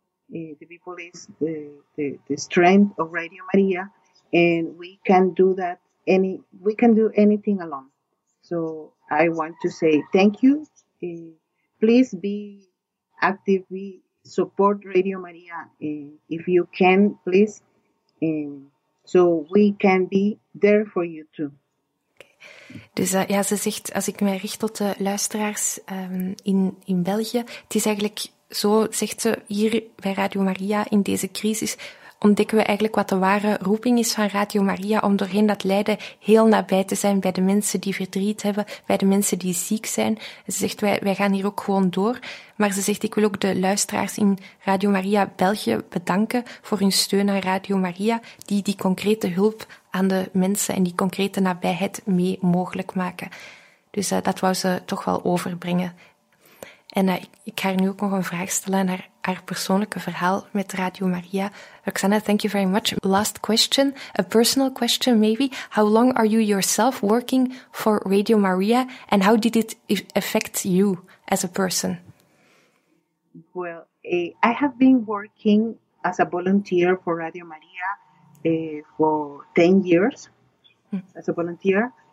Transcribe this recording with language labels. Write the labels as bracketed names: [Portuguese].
[English] The people is the strength of Radio Maria, and we can do anything alone. So I want to say thank you. Please be active. We support Radio Maria if you can, please. So we can be there for you too. [Dutch] Dus ja, ze zegt, als ik mij richt tot de luisteraars in België, het is eigenlijk, zo zegt ze hier bij Radio Maria, in deze crisis ontdekken we eigenlijk wat de ware roeping is van Radio Maria, om doorheen dat lijden heel nabij te zijn bij de mensen die verdriet hebben, bij de mensen die ziek zijn. Ze zegt, wij gaan hier ook gewoon door. Maar ze zegt, ik wil ook de luisteraars in Radio Maria België bedanken voor hun steun aan Radio Maria, die concrete hulp aan de mensen en die concrete nabijheid mee mogelijk maken. Dus dat wou ze toch wel overbrengen. En ik ga haar nu ook nog een vraag stellen naar haar persoonlijke verhaal met Radio Maria. [English] Roxana, thank you very much. Last question, a personal question maybe. How long are you yourself working for Radio Maria, and how did it affect you as a person? Well, I have been working as a volunteer for Radio Maria for 10 years as a volunteer.